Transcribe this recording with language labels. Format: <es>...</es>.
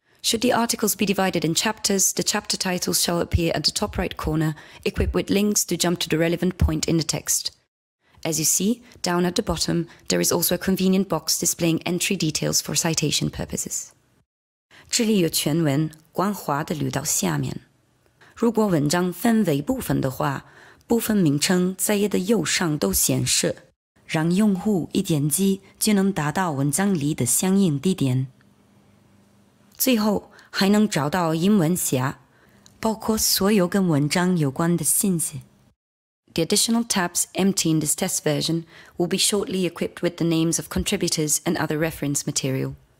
<en>Should the articles be divided in chapters, the chapter titles shall appear at the top right corner, equipped with links to jump to the relevant point in the text. As you see, down at the bottom, there is also a convenient box displaying entry details for citation purposes.</en> <zh>这里有全文，光滑地捋到下面。如果文章分为部分的话，部分名称在页的右上都显示，让用户一点击就能达到文章里的相应地点。最后还能找到英文匣，包括所有跟文章有关的信息。The</zh> <en>additional tabs empty in this test version will be shortly equipped with the names of contributors and other reference material.</en>